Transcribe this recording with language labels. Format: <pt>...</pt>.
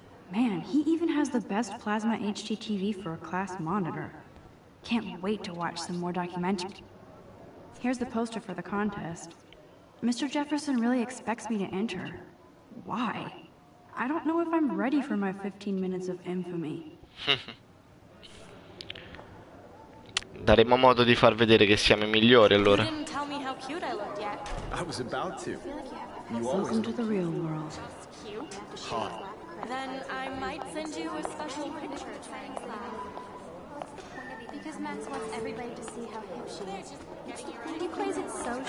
<en>Man, he even has the best plasma HDTV for a class monitor. Can't wait to watch some more documentary. Here's the poster for the contest. Mr. Jefferson really expects me to enter. Why? I don't know if I'm ready for my 15 minutes of infamy.</en> <it>Daremo modo di far vedere che siamo i migliori, allora.</it> <en>You didn't tell me how cute I looked yet. I was about to. Welcome to the real world. Hot. Then I might send you a special picture of science class. Because Max wants everybody to see how hip she is. He plays it so</en>